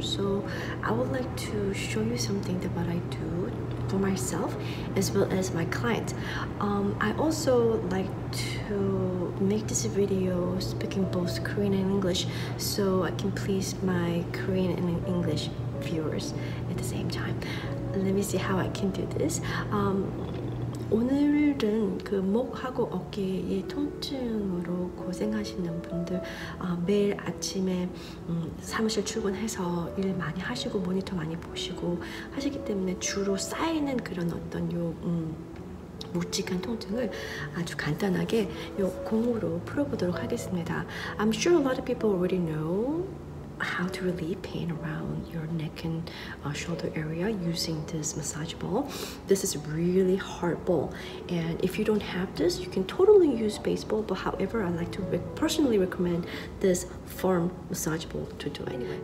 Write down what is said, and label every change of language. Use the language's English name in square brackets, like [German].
[English] So I would like to show you something that what I do for myself as well as my clients. I also like to make this video speaking both Korean and English so I can please my Korean and English viewers at the same time. Let me see how I can do this. [Korean] 오늘은 그 목하고 어깨의 통증으로 고생하시는 분들 매일 아침에 사무실 출근해서 일 많이 하시고 모니터 많이 보시고 하시기 때문에 주로 쌓이는 그런 어떤 요 묵직한 통증을 아주 간단하게 요 공으로 풀어보도록 하겠습니다. [English] I'm sure a lot of people already know how to relieve pain around your neck and shoulder area using this massage ball. This is really hard ball, and if you don't have this, you can totally use baseball, but however, I like to personally recommend this firm massage ball to do it.